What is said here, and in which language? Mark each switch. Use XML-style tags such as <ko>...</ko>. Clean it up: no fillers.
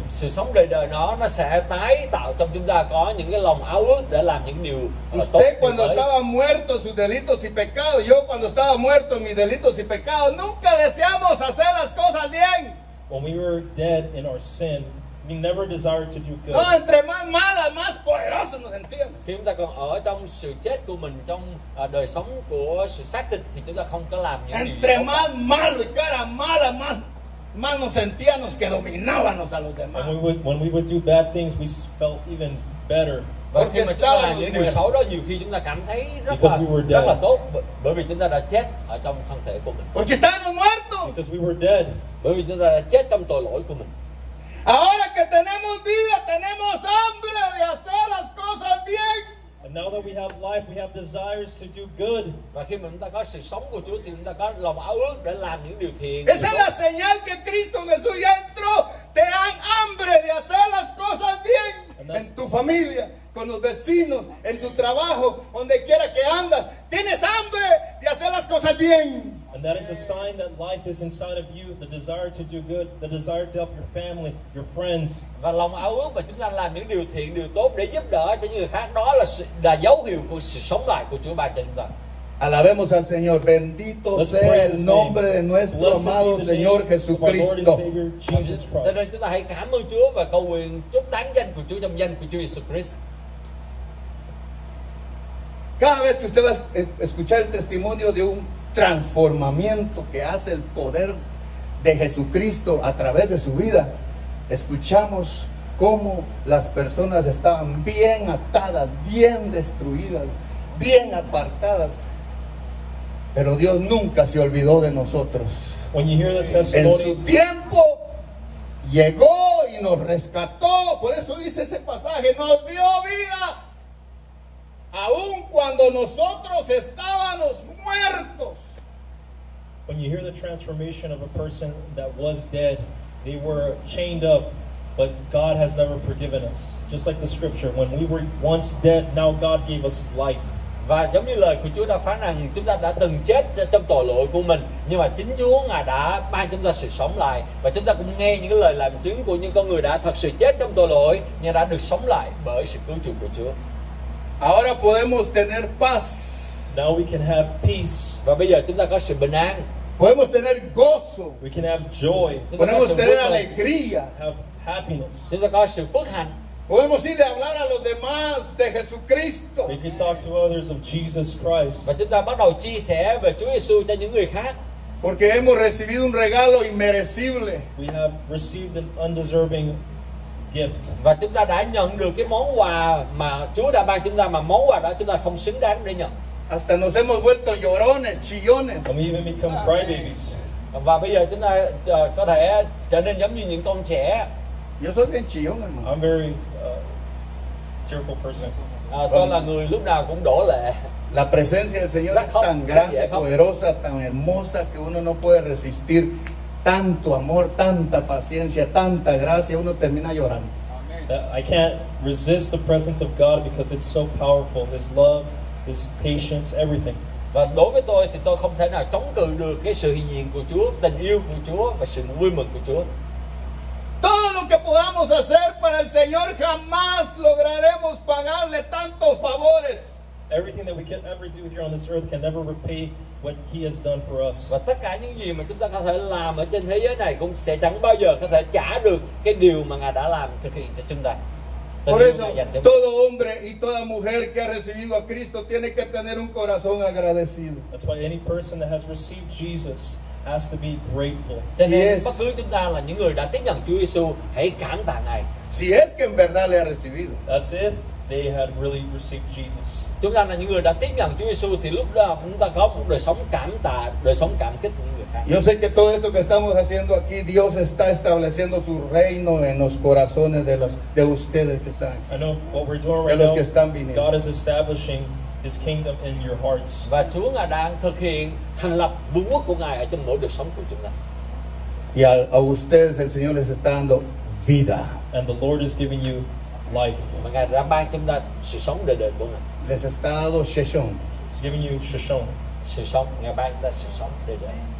<vi>Sự sống đời đời nó sẽ tái tạo trong chúng ta có những cái lòng ao ước để làm những điều tốt.</vi> <es>Usted cuando estaba muerto sus delitos y pecados, yo cuando estaba muerto mis delitos y pecados, nunca deseamos hacer las cosas bien.</es> <en>When we were dead in our sin, we never desired to do good.</en> <es>No, entre más malas, más poderoso nos sentíamos.</es> <vi>Khi chúng ta còn ở trong sự chết của mình, trong đời sống của sự xác thịt, thì chúng ta không có làm những điều.</vi> <es>Entre más malo y cara mala, más nos sentíamos que dominábamos a los demás.</es> <en>When we would do bad things, we felt even better.</en> <vi>Porque mà chúng ta làm những điều xấu đó, nhiều khi chúng ta cảm thấy rất là tốt, bởi vì chúng ta đã chết ở trong thân thể của mình.</vi> <es>Porque estábamos muertos.</es> <en>Because we were dead.</en> <vi>Bởi vì chúng ta đã chết trong tội lỗi của mình.</vi> <es>Ahora que tenemos vida, tenemos hambre de hacer las cosas bien.</es> <en>And now that we have life, we have desires to do good.</en> <vi>Và khi mà chúng ta có sự sống của Chúa thì chúng ta có lòng ao ước để làm những điều thiện.</vi> <es>Esa es la señal que Cristo Jesús ya entró. Te dan hambre de hacer las cosas bien. En tu familia, con los vecinos, en tu trabajo, donde quiera que andas, tienes hambre de hacer las cosas bien.</es> <en>And that is a sign that life is inside of you, the desire to do good, the desire to help your family, your friends.</en> <vi>Và lòng ao ước mà chúng ta làm những điều thiện, điều tốt để giúp đỡ cho người khác, đó là dấu hiệu của sự sống lại của Chúa ban cho chúng ta.</vi> <es>Alabemos al Señor, bendito sea el nombre de nuestro amado Señor Jesucristo.</es> <vi>Cho nên chúng ta hãy cảm ơn Chúa và cầu nguyện chúc tán danh của Chúa trong danh của Chúa Jesus Christ.</vi> <es>Cada vez que usted va a escuchar el testimonio de un transformamiento que hace el poder de Jesucristo a través de su vida, escuchamos cómo las personas estaban bien atadas, bien destruidas, bien apartadas, pero Dios nunca se olvidó de nosotros. En su tiempo llegó y nos rescató, por eso dice ese pasaje, nos dio vida aun cuando nosotros estábamos muertos.</es> <en>When you hear the transformation of a person that was dead, they were chained up, but God has never forgiven us. Just like the scripture, when we were once dead, now God gave us life.</en> <vi>Và giống như lời của Chúa đã phán rằng chúng ta đã từng chết trong tội lỗi của mình, nhưng mà chính Chúa ngài đã ban chúng ta sự sống lại, và chúng ta cũng nghe những lời làm chứng của những con người đã thật sự chết trong tội lỗi nhưng đã được sống lại bởi sự cứu chuộc của Chúa.</vi> <es>Ahora podemos tener paz.</es> <en>Now we can have peace.</en> <vi>Và bây giờ chúng ta có sự bình an.</vi> <es>Podemos tener gozo.</es> <en>We can have joy.</en> <es>Podemos tener alegría.</es> <en>Have happiness.</en> <vi>Chúng ta có sự phước hạnh.</vi> <es>Podemos ir a hablar a los demás de Jesucristo.</es> <en>We can talk to others of Jesus Christ.</en> <vi>Và chúng ta bắt đầu chia sẻ về Chúa Giêsu cho những người khác.</vi> <es>Porque hemos recibido un regalo inmerecible.</es> <en>We have received an undeserving gift.</en> <vi>Và chúng ta đã nhận được cái món quà mà Chúa đã ban chúng ta, mà món quà đó chúng ta không xứng đáng để nhận.</vi> <es>Hasta nos hemos vuelto llorones, chillones.</es> <en>And we even become crybabies.</en> <vi>Và bây giờ chúng ta có thể trở nên giống như những con trẻ.</vi> <es>Yo soy bien chillón, hermano.</es> <en>I'm very tearful person.</en> <vi>Tôi là người lúc nào cũng đổ lệ.</vi> <es>La presencia del Señor es tan grande, poderosa, tan hermosa que uno no puede resistir tanto amor, tanta paciencia, tanta gracia. Uno termina llorando.</es> <en>I can't resist the presence of God because it's so powerful. His love, His patience, everything.</en> <vi>Và đối với tôi thì tôi không thể nào chống cự được cái sự hiện diện của Chúa, tình yêu của Chúa và sự vui mừng của Chúa.</vi> <es>Todo lo que podamos hacer para el Señor jamás lograremos pagarle tantos favores.</es> <en>Everything that we can ever do here on this earth can never repay what He has done for us.</en> <vi>Và tất cả những gì mà chúng ta có thể làm ở trên thế giới này cũng sẽ chẳng bao giờ có thể trả được cái điều mà Ngài đã làm thực hiện cho chúng ta.</vi> <es>Por eso, todo hombre y toda mujer que ha recibido a Cristo tiene que tener un corazón agradecido.</es> <en>That's why any person that has received Jesus has to be grateful.</en> <vi>Cho nên bất cứ chúng ta là những người đã tiếp nhận Chúa Giêsu, hãy cảm tạ Ngài.</vi> <es>Si es que en verdad le ha recibido.</es> <en>That's if they had really received Jesus.</en> <vi>Chúng ta là những người đã tiếp nhận Chúa Giêsu thì lúc đó chúng ta có một đời sống cảm tạ, đời sống cảm kích.</vi> <es>Yo sé que todo esto que estamos haciendo aquí, Dios está estableciendo su reino en los corazones de los de ustedes que están aquí.</es> <en>I know what we're doing right</en> <es>de los</es> <en>now,</en> <es>que están viniendo.</es> <en>God is establishing His kingdom in your hearts.</en> <vi>Và Chúa Ngài đang thực hiện thành lập vương quốc của Ngài ở trong mỗi đời sống của chúng ta.</vi> <es>Y a ustedes el Señor les está dando vida.</es> <en>And the Lord is giving you life.</en> <vi>Và Ngài đã ban chúng ta sự sống đời đời của Ngài.</vi> <es>Les está dando shishon.</es> <en>He's giving you shishon.</en> <vi>Sự sống, Ngài ban chúng ta sự sống đời đời.</vi>